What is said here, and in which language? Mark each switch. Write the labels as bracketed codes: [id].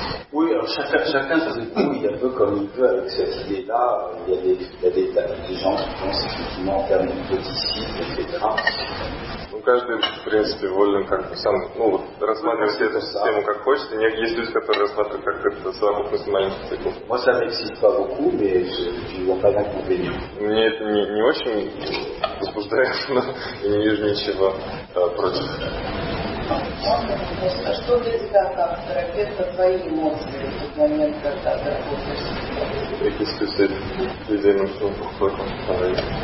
[fr] Oui, alors chacun se débrouille un peu comme il veut avec cette idée-là. Il y a des gens qui pensent effectivement en termes de petits cycles, etc. [ru] Каждый, в принципе, волен как-то сам, рассматривать всю эту систему как хочет. Есть люди, которые рассматривают как это совокупность маленьких циклов. [fr] Moi, ça m'excite pas beaucoup, mais je vois pas d'inconvénient. [ru] Мне это не очень возбуждает, но я не вижу ничего против. А что для тебя как терапевта твои эмоции в момент, когда ты работаешь? Эти списки людей нужно походить.